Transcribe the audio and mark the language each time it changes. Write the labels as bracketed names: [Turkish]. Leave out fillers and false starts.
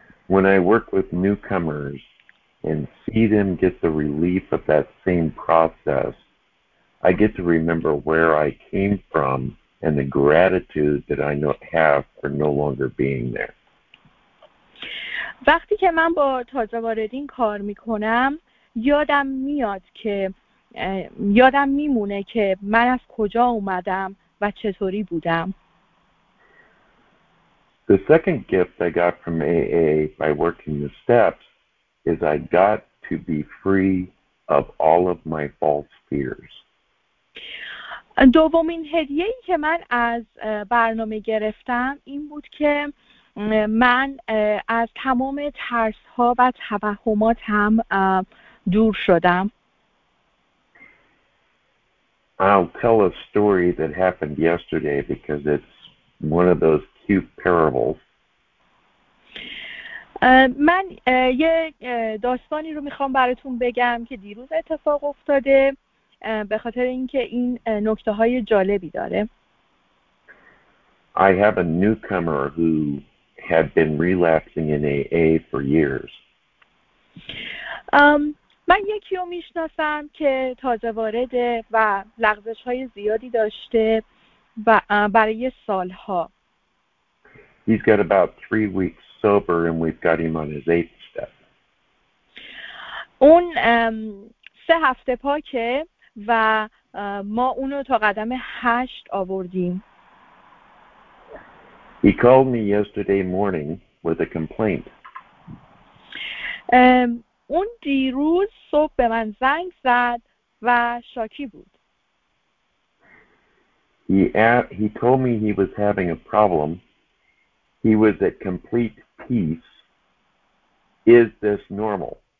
[English] When I work with newcomers and see them get the relief of that same process, I get to remember where I came from and the gratitude that I have for no longer being there. [Persian] وقتی که من با تازه واردین کار میکنم، یادم میاد که یادم میمونه که من از کجا اومدم و چطوری بودم. [English] The second gift I got from AA by working the steps is I got to be free of all of my false fears. [Persian] دومین هدیه‌ای که من از برنامه گرفتم این بود که من از تمام ترس‌ها و توهماتم دور شدم. [English] I'll tell a story that happened yesterday because it's one of those cute parables. [Persian] من یه داستانی رو میخوام براتون بگم که دیروز اتفاق افتاده، به خاطر اینکه این نکته های جالبی داره. [English] I have a newcomer who had been relapsing in AA for years. [Persian] من یکی رو میشناسم که تازه وارده و لغزش های زیادی داشته و برای سالها. [English] He's got about 3 weeks sober and we've got him on his 8th step. [Persian] اون 3 هفته پاکه و ما اونو تا قدم 8 آوردیم. [English] He called me yesterday morning with a complaint. [Persian] اون دیروز صبح به من زنگ زد و شاکی بود. [English] He told me he was having a problem. He was at complete peace. Is this normal?